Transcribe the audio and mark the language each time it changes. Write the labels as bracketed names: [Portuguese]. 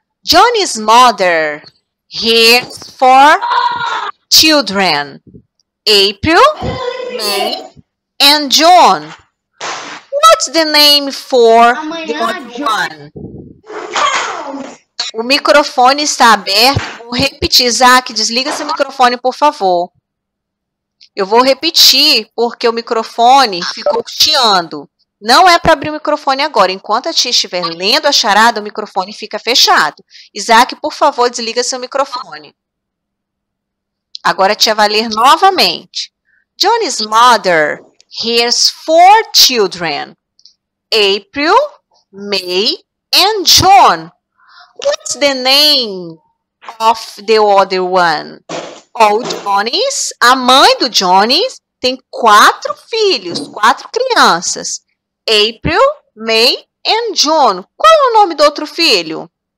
[English] Johnny's mother hears for children. April, May, and John. What's the name for the one? [Portuguese] O microfone está aberto. Vou repetir, Isaac, desliga seu microfone, por favor. Eu vou repetir, porque o microfone ficou chiando. Não é para abrir o microfone agora. Enquanto a tia estiver lendo a charada, o microfone fica fechado. Isaac, por favor, desliga seu microfone. Agora a tia vai ler novamente. [English] Johnny's mother hears four children. April, May, and John. What's the name of the other one? [Portuguese] Old Johnny's, a mãe do Johnny's, tem quatro filhos, quatro crianças. April, May, and John. Qual é o nome do outro filho?